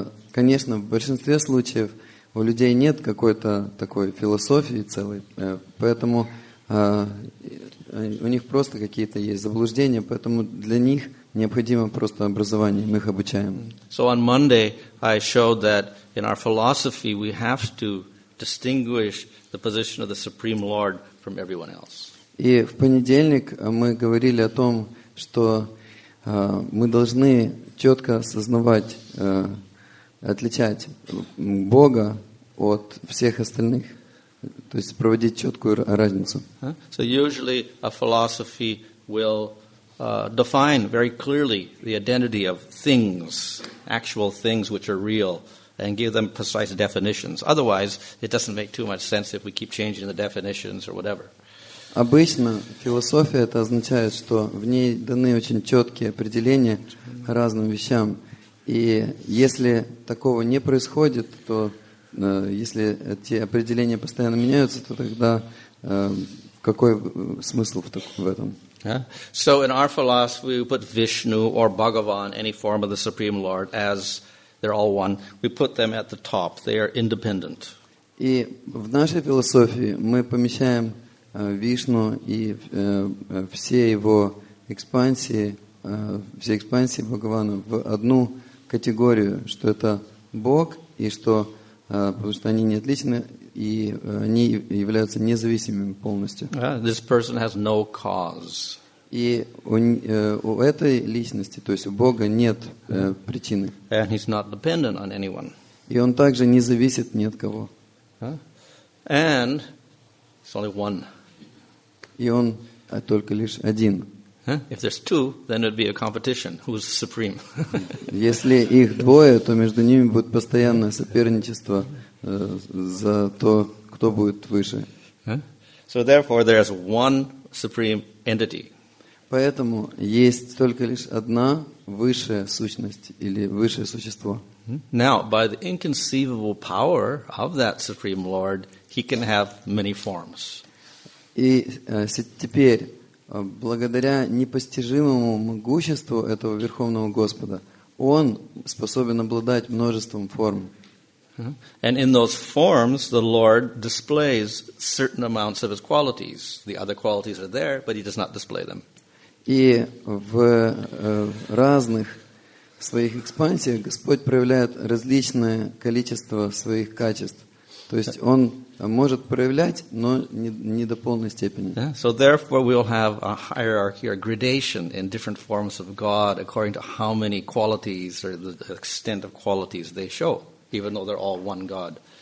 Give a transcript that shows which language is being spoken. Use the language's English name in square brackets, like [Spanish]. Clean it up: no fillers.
[Russian] Конечно, в большинстве случаев у людей нет какой-то такой философии целой, поэтому у них просто какие-то есть заблуждения, поэтому для них необходимо просто образование, мы их обучаем. [English] So on Monday I showed that in our philosophy we have to distinguish the position of the Supreme Lord from everyone else. [Russian] И в понедельник мы говорили о том, что мы должны четко осознавать, отличать Бога от всех остальных, то есть проводить четкую разницу. [English] So usually a philosophy will define very clearly the identity of things, actual things which are real, and give them precise definitions. Otherwise, it doesn't make too much sense if we keep changing the definitions or whatever. [Russian] Обычно философия это означает, что в ней даны очень четкие определения разным вещам, и если такого не происходит, то если эти определения постоянно меняются, то тогда какой смысл в этом? [English] So in our philosophy we put Vishnu or Bhagavan, any form of the Supreme Lord, as they're all one, we put them at the top, they are independent. [Russian] И в нашей философии мы помещаем Вишну и все его экспансии всей экспансии Бхагавана в одну категорию, что это Бог, и что, потому что они не отличны, и они являются независимыми полностью. [English] This person has no cause. [Russian] И у этой личности, то есть у Бога, нет причины. [English] And he's not dependent on anyone. [Russian] И он также не зависит ни от кого. [English] And it's only one. [Russian] И он только лишь один. [English] If there's two, then it would be a competition. Who's supreme? [Russian] Если их двое, то между ними будет постоянное соперничество за то, кто будет выше. [English] So therefore, there's one supreme entity. [Russian] Поэтому есть только лишь одна высшая сущность или высшее существо. [English] Now, by the inconceivable power of that supreme Lord, he can have many forms. [Russian] И теперь, благодаря непостижимому могуществу этого Верховного Господа, он способен обладать множеством форм. [English] And in those forms, the Lord displays certain amounts of his qualities. The other qualities are there, but he does not display them. [Russian] И в разных своих экспансиях Господь проявляет различное количество своих качеств. То есть Он может проявлять, но не до полной степени. [English] So therefore we'll have a hierarchy or gradation in different forms of God according to how many qualities or the extent of qualities they show, even though they're all one God.